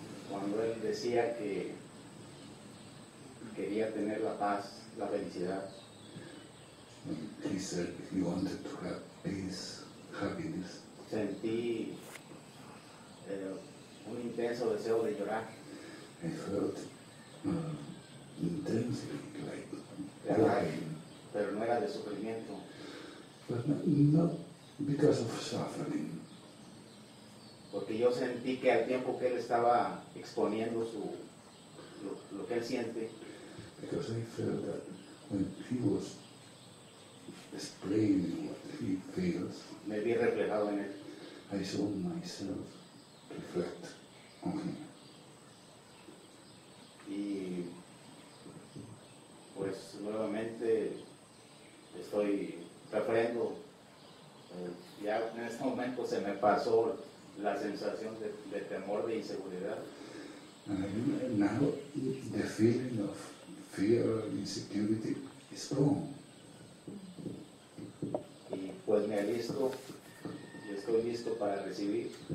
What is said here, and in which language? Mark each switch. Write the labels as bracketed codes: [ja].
[es] Cuando él decía que quería tener la paz, la felicidad. [en] When he said he wanted to have peace, happiness. [es] Sentí un intenso deseo de llorar. [en] I felt intensely like crying. [es] Pero no era de sufrimiento. [en] But not because of suffering. [es] Porque yo sentí que al tiempo que él estaba exponiendo su lo que él siente. [en] Because I felt that when he was explaining what he feels. [es] Me vi reflejado en él. [en] I saw myself reflect on him. [es] Y pues nuevamente estoy refrendo. Ya en este momento se me pasó la sensación de temor, de inseguridad. [en] Now the feeling of fear and insecurity is gone. [es] Y pues me alisto y estoy listo para recibir.